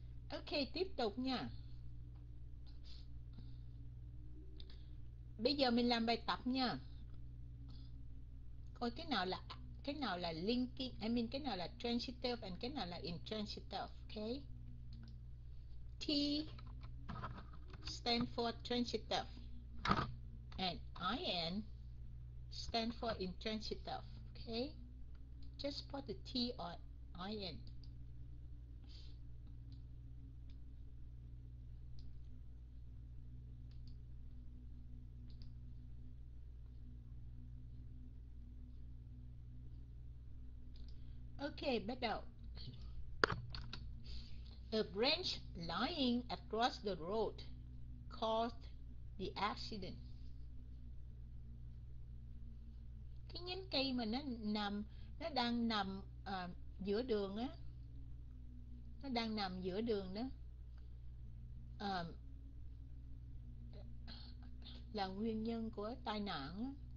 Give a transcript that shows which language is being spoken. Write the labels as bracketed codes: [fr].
[vi] Ok, tiếp tục nha. Bây giờ mình làm bài tập nha. Coi cái nào là linking, [en] I mean [vi] cái nào là transitive and cái nào là intransitive, okay? [en] T stand for transitive and IN stand for intransitive, okay? Just put the T or IN. [vi] Okay, bắt đầu. [en] A branch lying across the road caused the accident. [vi] Cái nhánh cây mà nó đang nằm giữa đường á, nó đang nằm giữa đường đó, là nguyên nhân của tai nạn á.